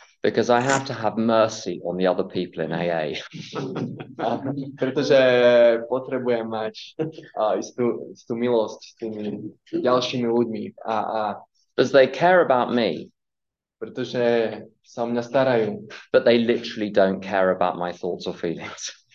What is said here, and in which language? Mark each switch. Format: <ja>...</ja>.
<en>Because I have to have mercy on the other people in AA.</en> <sk>Pretože potrebujem mať istú milosť s tými ďalšími ľuďmi v AA.</sk> <en>Because they care about me.</en> <sk>Pretože sa o mňa starajú.</sk> <en>But they literally don't care about my thoughts or feelings.</en>